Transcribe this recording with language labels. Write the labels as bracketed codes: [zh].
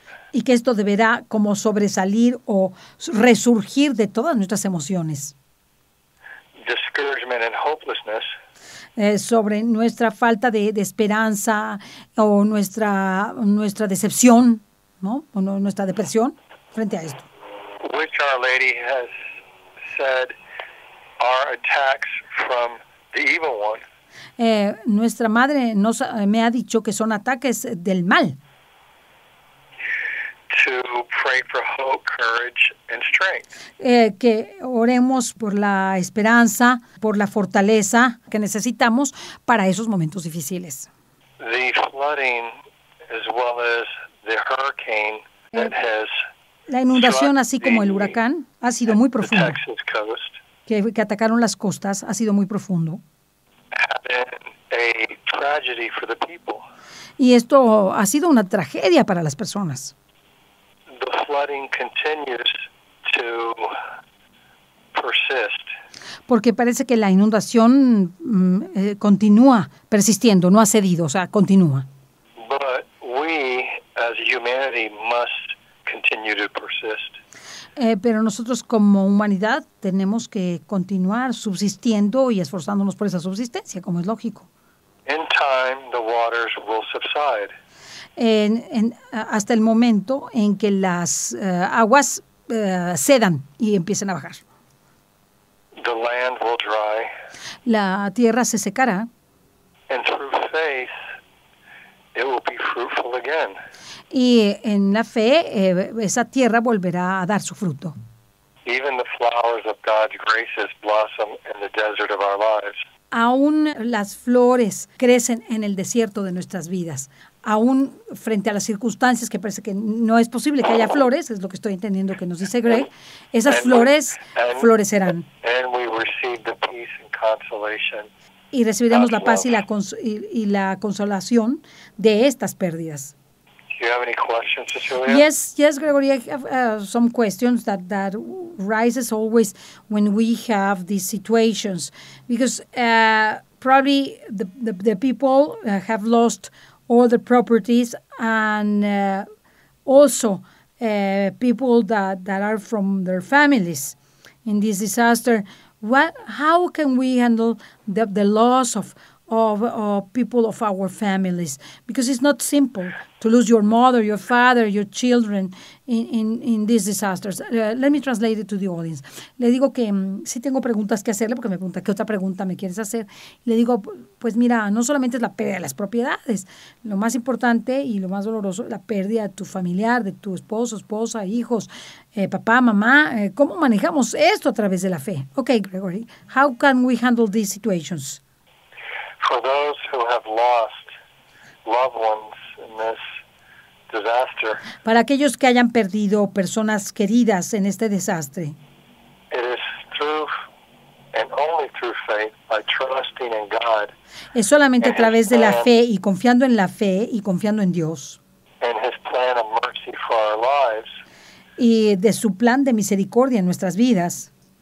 [es] Y que esto deberá como sobresalir o resurgir de todas nuestras emociones. [en] Discouragement and hopelessness. [es] Sobre nuestra falta de esperanza o nuestra decepción, ¿no? O nuestra depresión frente a esto. [en] Which Our Lady has said are attacks from the evil one. [es] Nuestra madre me ha dicho que son ataques del mal. [en] To pray for hope, courage, and strength. [es] Que oremos por la esperanza, por la fortaleza que necesitamos para esos momentos difíciles. [en] The flooding as well as the hurricane that has [es] la inundación, así como el huracán, ha sido muy profundo. Que atacaron las costas ha sido muy profundo. [en] A tragedy for the people. [es] Y esto ha sido una tragedia para las personas. [en] The flooding continues to persist. [es] Porque parece que la inundación continúa persistiendo, no ha cedido, o sea, continúa. [en] But we, as humanity, must continue to persist. [es] Pero nosotros como humanidad tenemos que continuar subsistiendo y esforzándonos por esa subsistencia, como es lógico. [en] In time, the waters will subside. [es] Hasta el momento en que las aguas cedan y empiecen a bajar. [en] The land will dry. [es] La tierra se secará. [en] And through faith, it will be fruitful again. [es] Y en la fe, esa tierra volverá a dar su fruto. [en] Even the flowers of God's graces blossom in the desert of our lives. [es] Aún las flores crecen en el desierto de nuestras vidas. Aún frente a las circunstancias que parece que no es posible que haya flores, es lo que estoy entendiendo que nos dice Greg, esas flores florecerán. [en] And we receive the peace and consolation. [es] Y recibiremos la paz y la consolación de estas pérdidas. [en] Do you have any questions, Cecilia? Yes, Gregory, I have some questions that rises always when we have these situations, because probably the people have lost all the properties, and also people that are from their families in this disaster. How can we handle the loss of people of our families? Because it's not simple to lose your mother, your father, your children in these disasters. Let me translate it to the audience. [es] Le digo que sí tengo preguntas que hacerle, porque me pregunta, ¿qué otra pregunta me quieres hacer? Le digo, pues mira, no solamente es la pérdida de las propiedades, lo más importante y lo más doloroso, la pérdida de tu familiar, de tu esposo, esposa, hijos, papá, mamá. ¿Cómo manejamos esto a través de la fe? [en] Okay, Gregory, how can we handle these situations? For those who have lost loved ones in this disaster, [es] para aquellos que hayan perdido personas queridas en este desastre, [en] it is through and only through faith, by trusting in God, [es] es solamente a través de la fe y confiando en la fe y confiando en Dios, [en] and His plan of mercy for our lives, [es] y de su plan de misericordia en nuestras vidas,